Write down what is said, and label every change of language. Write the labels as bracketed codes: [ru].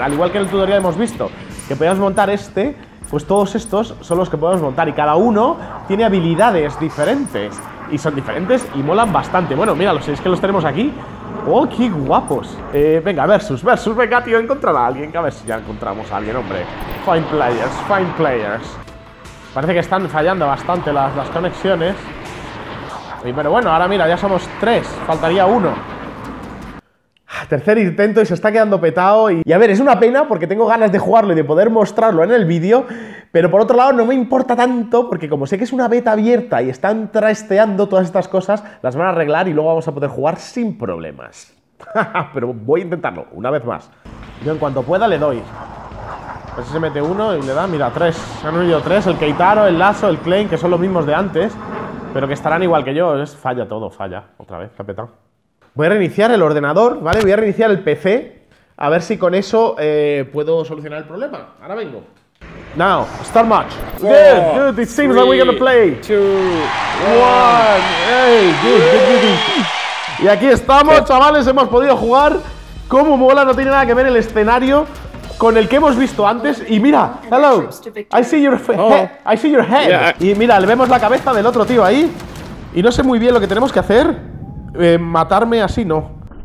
[es] Al igual que en el tutorial hemos visto que podemos montar este, pues todos estos son los que podemos montar. Y cada uno tiene habilidades diferentes. Y son diferentes y molan bastante. Bueno, míralos, es que los tenemos aquí. ¡Oh, qué guapos! Venga, versus, venga, tío, encontrar a alguien. Que a ver si ya encontramos a alguien, hombre. [en] Find players, find players. [es] Parece que están fallando bastante las conexiones. Pero bueno, ahora mira, ya somos tres. Faltaría uno. Tercer intento y se está quedando petado. Y a ver, es una pena porque tengo ganas de jugarlo y de poder mostrarlo en el vídeo. Pero por otro lado, no me importa tanto porque como sé que es una beta abierta y están trasteando todas estas cosas, las van a arreglar y luego vamos a poder jugar sin problemas. Pero voy a intentarlo una vez más. Yo en cuanto pueda le doy. A ver si se mete uno y le da, mira, tres. Se han unido tres, el Keitaro, el Lasso, el Klein, que son los mismos de antes. Pero que estarán igual que yo, es falla todo, falla. Otra vez, capitán. Voy a reiniciar el ordenador, ¿vale? Voy a reiniciar el PC. A ver si con eso puedo solucionar el problema. Ahora vengo. [en] Now, start match. Good, it seems that we're gonna play. 2, 1, hey, good. [es] Y aquí estamos, chavales, hemos podido jugar. Cómo mola, no tiene nada que ver el escenario con el que hemos visto antes. Y mira, [en] hello, I see your head. Yeah. [es] Y mira, le vemos la cabeza del otro tío ahí. Y no sé muy bien lo que tenemos que hacer. Matarme así no.